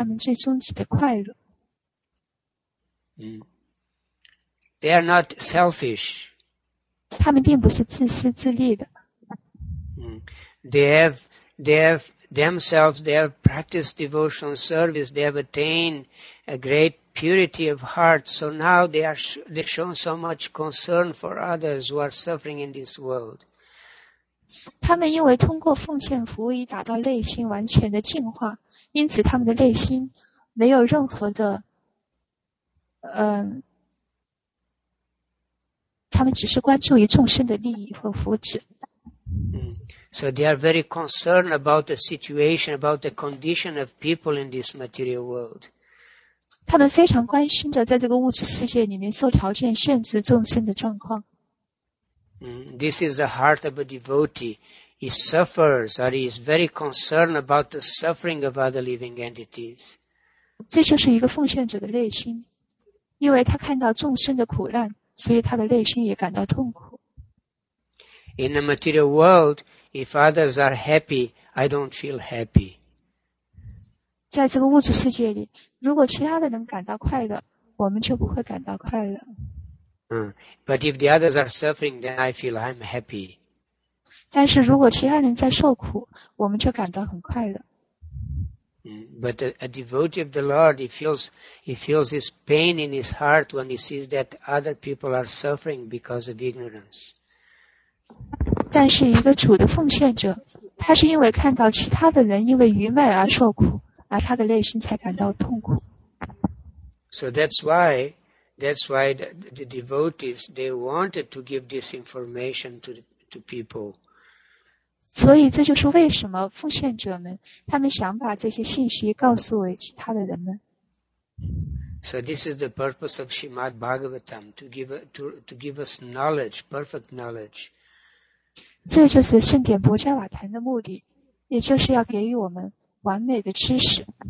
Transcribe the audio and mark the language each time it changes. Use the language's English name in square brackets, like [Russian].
[Chinese] 所以这个森林里面的圣者们就非常的关注于每一个生物他们最终极的快乐。 [English] They are not selfish. [Chinese] 他们并不是自私自利的。 [English] They have practiced devotional service, they have attained a great purity of heart, so now they've shown so much concern for others who are suffering in this world. [Chinese] 他们因为通过奉献服务已达到内心完全的净化，因此他们的内心没有任何的，他们只是关注于众生的利益和福祉。 [English] So they are very concerned about the situation, about the condition of people in this material world. [Chinese] 他们非常关心着在这个物质世界里面受条件限制众生的状况。 [English] This is the heart of a devotee. He suffers, or he is very concerned about the suffering of other living entities. [Chinese] 这就是一个奉献者的内心，因为他看到众生的苦难，所以他的内心也感到痛苦。 [English] In the material world, if others are happy, I don't feel happy. [Chinese] 在这个物质世界里，如果其他的人感到快乐，我们就不会感到快乐。 [English] But if the others are suffering, then I feel I'm happy. [Chinese] 但是如果其他人在受苦，我们就感到很快乐。 [English] But a devotee of the Lord, he feels this pain in his heart when he sees that other people are suffering because of ignorance. [Chinese] 但是一个主的奉献者，他是因为看到其他的人因为愚昧而受苦，而他的内心才感到痛苦。 [English] So that's why the devotees, they wanted to give this information to people. [Chinese] 所以这就是为什么奉献者们他们想把这些信息告诉给其他的人们。 [English] So this is the purpose of Srimad Bhagavatam, to give us knowledge, perfect knowledge. [Chinese] 这就是圣典博伽瓦坛的目的，也就是要给予我们完美的知识。